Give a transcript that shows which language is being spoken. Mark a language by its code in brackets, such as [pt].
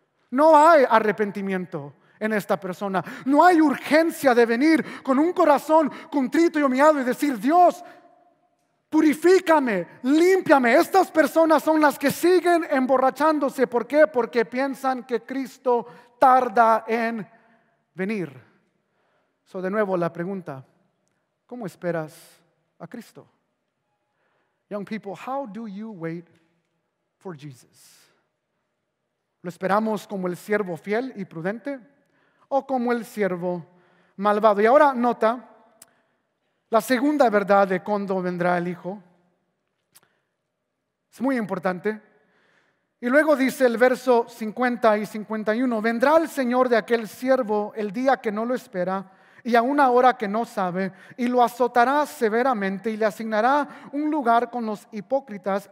[es] No hay arrepentimiento en esta persona. No hay urgencia de venir con un corazón contrito y humillado y decir, Dios, purifícame, límpiame. Estas personas son las que siguen emborrachándose. ¿Por qué? Porque piensan que Cristo tarda en venir. So, de nuevo la pregunta, ¿cómo esperas a Cristo? [en] Young people, how do you wait for Jesus? [es] ¿Lo esperamos como el siervo fiel y prudente? O como el siervo malvado. Y ahora nota la segunda verdad de cuándo vendrá el Hijo. Es muy importante. Y luego dice el verso 50 y 51, vendrá el Señor de aquel siervo el día que no lo espera y a una hora que no sabe, y lo azotará severamente y le asignará un lugar con los hipócritas.